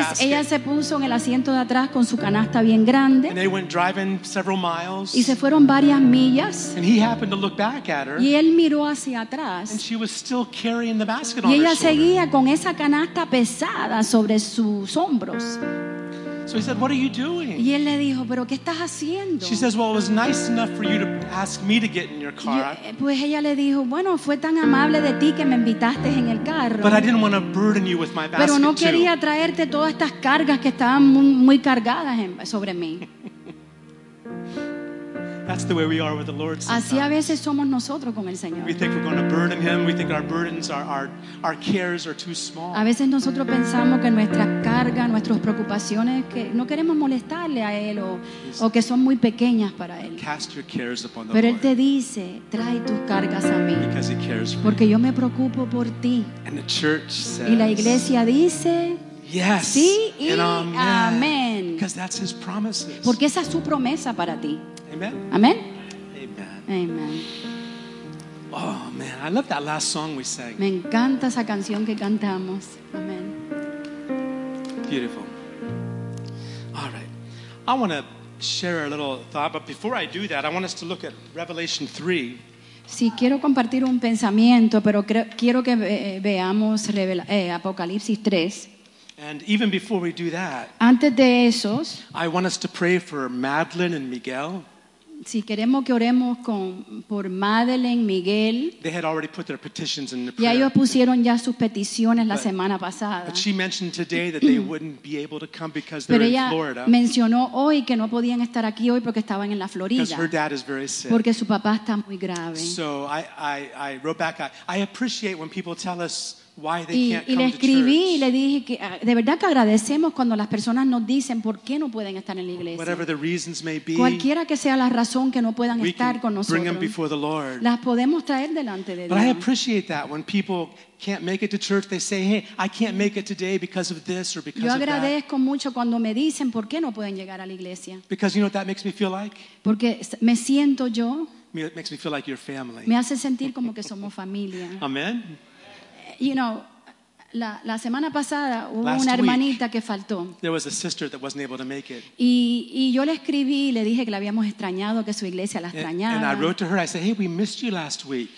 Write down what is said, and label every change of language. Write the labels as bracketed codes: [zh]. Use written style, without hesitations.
[es] Entonces ella se puso en el asiento de atrás con su canasta bien grande. [en] And they went driving several miles. [es] Y se fueron varias millas. [en] And he happened to look back at her. [es] Y él miró hacia atrás. [en] And she was still carrying the basket on her [es] Y ella seguía con esa canasta pesada sobre sus hombros. [en] So he said, "What are you doing?" [es] Y él le dijo, "¿Pero qué estás haciendo?" [en] She says, "Well, it was nice enough for you to ask me to get in your car." [es] Pues ella le dijo, "Bueno, fue tan amable de ti que me invitaste en el carro." [en] But I didn't want to burden you with my basket. [es] Pero no quería traerte todas estas cargas que estaban muy cargadas sobre mí. [en] That's the way we are with the Lord sometimes. [es] Así a veces somos nosotros con el Señor. [en] We think we're going to burden Him. We think our burdens, our cares are too small. [es] A veces nosotros pensamos que nuestras cargas, nuestras preocupaciones, que no queremos molestarle a Él o que son muy pequeñas para Él. [en] Cast your cares upon the [es] Pero [en] Lord. [es] Él te dice, trae tus cargas a mí. [en] Because He cares for [es] Porque yo me preocupo por ti. [en] And the church says, [es] y la iglesia dice, [en] yes, [es] sí y amén. [en] Because that's His promises. [es] Porque esa es su promesa para ti. Amen. Amen. Amen. Amen. [en] Oh man, I love that last song we sang. [es] Me encanta esa canción que cantamos. Amen. [en] Beautiful. All right. I want to share a little thought, but before I do that, I want us to look at Revelation 3. [es] Sí, quiero compartir un pensamiento, pero quiero que veamos Apocalipsis 3. [en] And even before we do that, [es] antes de esos, [en] I want us to pray for Madeline and Miguel. [es] Si queremos que oremos por Madeline, Miguel. [en] They had already put their petitions in the prayer. [es] Ya ellos pusieron ya sus peticiones la semana pasada. [en] But she mentioned today that they wouldn't be able to come because they're in Florida. [es] Pero ella mencionó hoy que no podían estar aquí hoy porque estaban en la Florida. [en] Because her dad is very sick. [es] Porque su papá está muy grave. [en] So I wrote back, I appreciate when people tell us why they can't [es] y le escribí y le dije que de verdad que agradecemos cuando las personas nos dicen por qué no pueden estar en la iglesia. [en] Whatever the reasons may be, [es] cualquiera que sea la razón que no puedan estar con nosotros, [en] bring them before the Lord. [es] Las podemos traer delante de [en] But [es] Dios. [en] I appreciate that when people can't make it to church, they say, "Hey, I can't make it today because of this or because [es] Yo agradezco [en] of that." [es] Mucho cuando me dicen por qué no pueden llegar a la iglesia. [en] Because you know what that makes me feel like? [es] Porque me siento yo. [en] It makes me feel like you're family. [es] Me hace sentir como que somos familia. Amen. [en] You know, [es] la semana pasada hubo una hermanita que faltó. [en] There was a sister that wasn't able to make it. [es] Y yo le escribí y le dije que la habíamos extrañado, que su iglesia la extrañaba. [en] And I wrote to her, I said, "Hey, we missed you last week.